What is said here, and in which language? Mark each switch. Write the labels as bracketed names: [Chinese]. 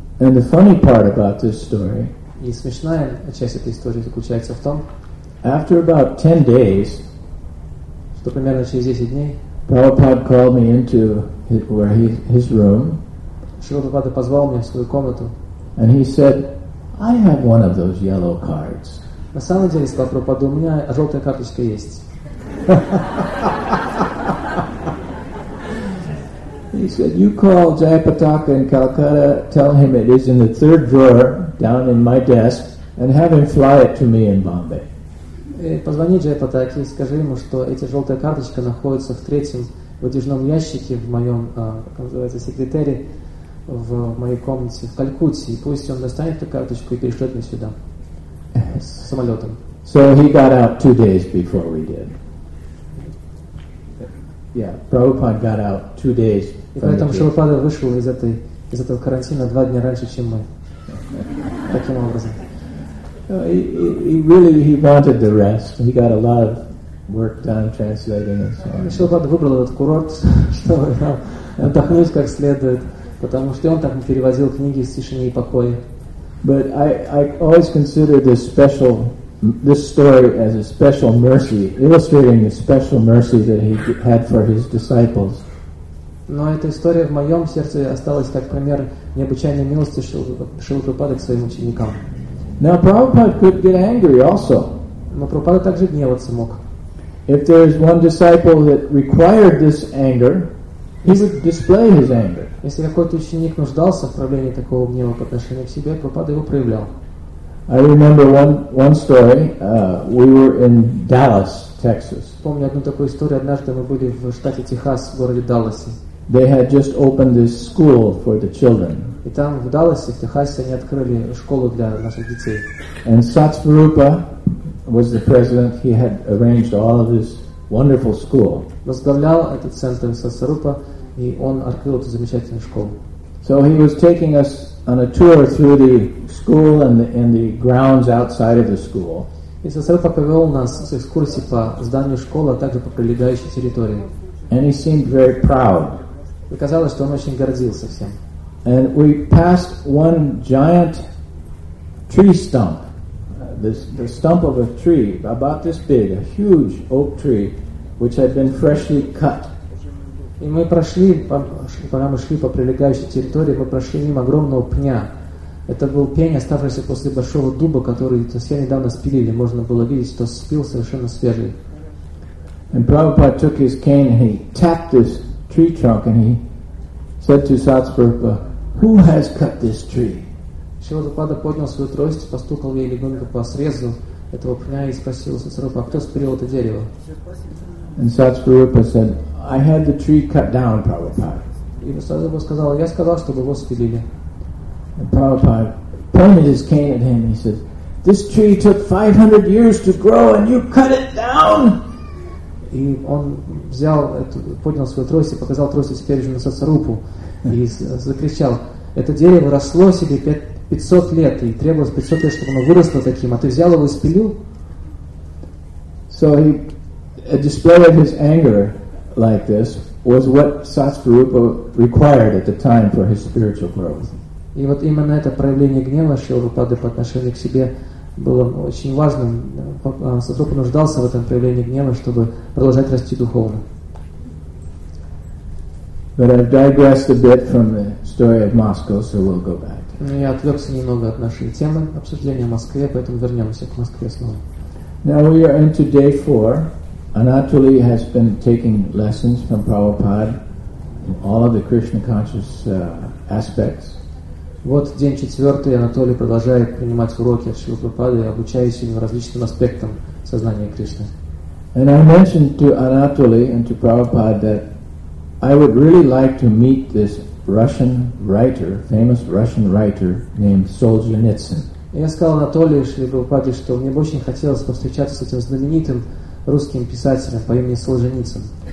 [English] And the funny part about this story. [Russian] И смешная часть этой истории заключается в том, [English] after about 10 days, [Russian] что примерно через 10 дней [English] Prabhupada called me into his room. [Russian] Шрила Прабхупада позвал меня в свою комнату. [English] And he said, "I have one of those yellow cards." [Russian] На самом деле, сказал Прабхупада, у меня желтая карточка есть. [English] He said, "You call Jayapataka in Calcutta, tell him it is in the third drawer down in my desk, and have him fly it to me in Bombay." [Russian] Позвони Джайпатаке и скажи ему, что эта желтая карточка находится в третьем выдвижном ящике в моем, как называется, секретаре в моей комнате в Калькутте. И пусть он достанет эту карточку и перешлет мне сюда с самолетом. [English] So he got out 2 days before we did. Yeah, Prabhupada got out 2 days. [Russian] И поэтому Шрилапада вышел из этого карантина 2 дня раньше, чем мы. Таким образом. [English] He really he wanted the rest. He got a lot of work done translating and so on. [Russian] Шрилапада выбрал этот курорт, чтобы там отдохнуть как следует, потому что он так переводил книги с тишины и покоя. [English] But I always consider this story as a special mercy, illustrating the special mercy that he had for his disciples. [Russian] Но эта история в моем сердце осталась как пример необычайной милости Шрилы Прабхупады к своим ученикам. [English] Now Prabhupada could get angry also. [Russian] Но Прабхупада также гневаться мог. [English] If there is one disciple that required this anger, he would display his anger. [Russian] Если какой-то ученик нуждался в проявлении такого гнева по отношению к себе, Прабхупада его проявлял. [English] I remember one story. We were in Dallas, Texas. [Russian] Помню одну такую историю. Однажды мы были в штате Техас, в городе Далласе. [English] They had just opened this school for the children. [Russian] И там в Далласе, в Техасе, они открыли школу для наших детей. [English] And Satsvarupa was the president. He had arranged all of this wonderful school. [Russian] Возглавлял этот центр Сатсварупа, и он открыл эту замечательную школу. [English] So he was taking us on a tour through the school and the grounds outside of the school. [Russian] И сосредка повел нас с экскурсии по зданию школы, а также по прилегающей территории. [English] And he seemed very proud. [Russian] И казалось, что он очень гордился всем. [English] And we passed one giant tree stump, the stump of a tree about this big, a huge oak tree, which had been freshly cut. [Russian] И мы прошли, пока мы шли по прилегающей территории, мы прошли мимо огромного пня. Это был пень, оставшийся после большого дуба, который совсем недавно спилили. Можно было видеть, что спил совершенно свежий. [English] And Prabhupada took his cane and he tapped this tree trunk and he said to Satsvarupa, "Who has cut this tree?" [Russian] Шрила Прабхупада поднял свою трость, постукал ей легонько по срезу этого пня и спросил Сатсварупу, "А кто спилил это дерево?" [English] And Satsvarupa said, "I had the tree cut down, Prabhupada." [Russian] И Сатсварупа сказал, "Я сказал, чтобы его спилили." [English] And Prabhupada pointed his cane at him and he said, "This tree took 500 years to grow and you cut it down?" [Russian] И он взял, поднял свою трость и показал трость теперь же на Сатсварупу и закричал, "Это дерево росло себе 500 лет и требовалось 500 лет, чтобы оно выросло таким, а ты взял его и спилил?" [English] So he displayed his anger like this was what Satsvarupa required at the time for his spiritual growth. [Russian] И вот именно это проявление гнева Шрилы Прабхупады по отношению к себе было очень важным. Сатсварупа нуждался в этом проявлении гнева, чтобы продолжать расти духовно. [English] But I've digressed a bit from the story of Moscow, so we'll go back. [Russian] Я отвлекся немного от нашей темы обсуждения о Москве, поэтому вернемся к Москве снова. [English] Now we are into day four. Anatoly has been taking lessons from Prabhupada in all of the Krishna conscious aspects. [Russian] Вот день четвертый, Анатолий продолжает принимать уроки от Шрилы Прабхупады, обучаясь ему различным аспектам сознания Кришны. [English] And I mentioned to Anatoly and to Prabhupada that I would really like to meet this Russian writer, famous Russian writer named Solzhenitsyn. [Russian] Я сказал Анатолию Шриле Прабхупаде, что мне бы очень хотелось повстречаться с этим знаменитым русским писателем по имени Солженицын.